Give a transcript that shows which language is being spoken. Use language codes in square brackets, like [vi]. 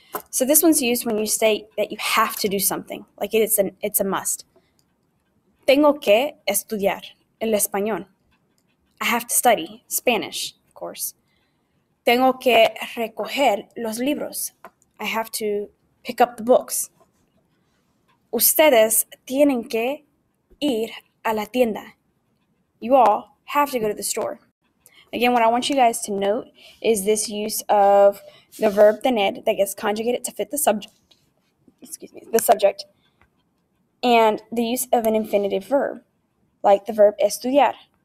[en] So this one's used when you say that you have to do something, like it's a must. [es] Tengo que estudiar el español. [en] I have to study Spanish, of course. [es] Tengo que recoger los libros. [en] I have to pick up the books. [es] Ustedes tienen que ir a la tienda. [en] You all have to go to the store. Again, what I want you guys to note is this use of the verb tener that gets conjugated to fit the subject. Excuse me, the subject, and the use of an infinitive verb, like the verb estudiar.